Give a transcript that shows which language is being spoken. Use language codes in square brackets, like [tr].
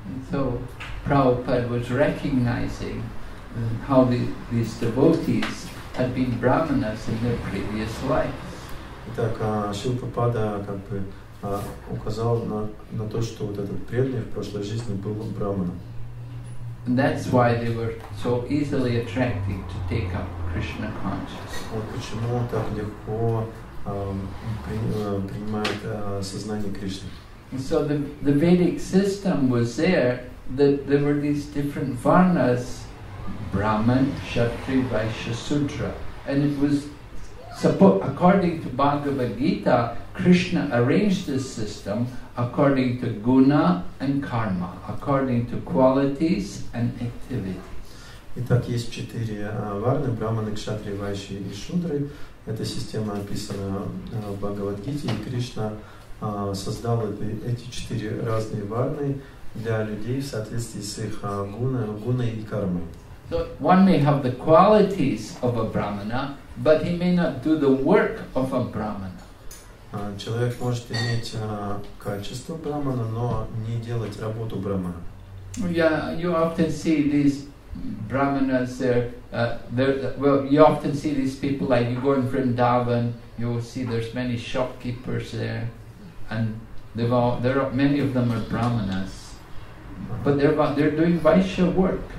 [en] So Prabhupada was recognizing how these devotees had been brahmanas in their previous lives. [ru] Итак, Шрила Прабхупада как бы указал на то, что вот этот преданный в прошлой жизни был брахманом. [en] And that's why they were so easily attracted to take up Krishna consciousness. [ru] Вот почему так легко принимают сознание Кришны. [en] So the Vedic system was there, that there were these different varnas, Brahman, Kshatriya, Vaishya, Sudra. And it was, according to Bhagavad Gita, Krishna arranged this system according to guna and karma, according to qualities and activities. [ru] Итак, есть четыре варны, Брахманы, Кшатри, Вайши и Шудры. Эта система описана в Бхагавад-гите, и Кришна создал эти четыре разные варны для людей в соответствии с их гуной и кармой. [en] So one may have the qualities of a brahmana, but he may not do the work of a brahmana. [ru] Человек может иметь качество брахмана, но не делать работу брахмана. [en] Yeah, you often see these brahmanas there. You often see these people, like you go in Vrindavan, you will see there's many shopkeepers there, and many of them are brahmanas, but they're doing vaishya work.